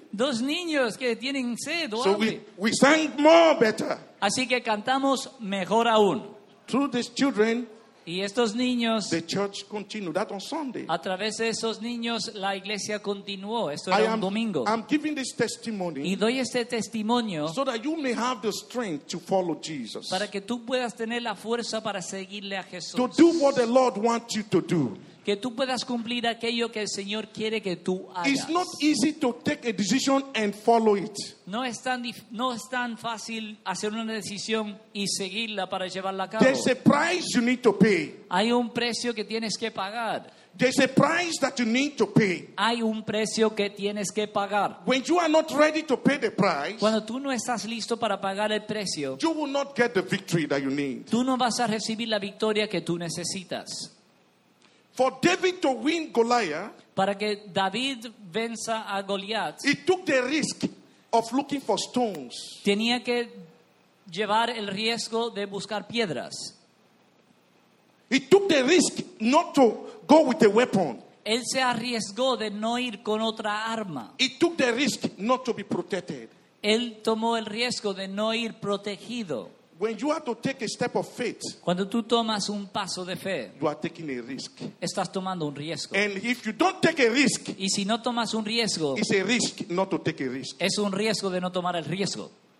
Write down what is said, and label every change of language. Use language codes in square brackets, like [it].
[es] Dos niños que tienen sed. [en] So we sang more better. [es] Así que cantamos mejor aún. [en] Through these children. [es] Y estos niños. [en] The church continued that on Sunday. [es] A través de esos niños la iglesia continuó. Esto era un domingo. [en] I'm giving this testimony. [es] Y doy este testimonio. [en] So that you may have the strength to follow Jesus. [es] Para que tú puedas tener la fuerza para seguirle a Jesús. [en] To do what the Lord wants you to do. [es] Que tú puedas cumplir aquello que el Señor quiere que tú hagas. [en] It's not easy to take a decision and follow it. [es] No es tan fácil hacer una decisión y seguirla para llevarla a cabo. [en] There's a price you need to pay. [es] Hay un precio que tienes que pagar. [en] There's a price that you need to pay. [es] Hay un precio que tienes que pagar. [en] When you are not ready to pay the price, [es] cuando tú no estás listo para pagar el precio, [en] you will not get the victory that you need. [es] Tú no vas a recibir la victoria que tú necesitas. [en] For David to win Goliath, [es] para que David venza a Goliath, [en] he took the risk of looking for stones. [es] Tenía que llevar el riesgo de buscar piedras. [en] He took the risk not to go with a weapon. [es] Él se arriesgó de no ir con otra arma. [en] He took the risk not to be protected. [es] Él tomó el riesgo de no ir protegido. [en] When you have to take a step of faith, [es] cuando tú tomas un paso de fe, [en] you are taking a risk. [es] Estás tomando un riesgo. [en] And if you don't take a risk, [es] y si no tomas un riesgo, [en] it's a risk not to take a risk. [es] Es un riesgo de no tomar el riesgo.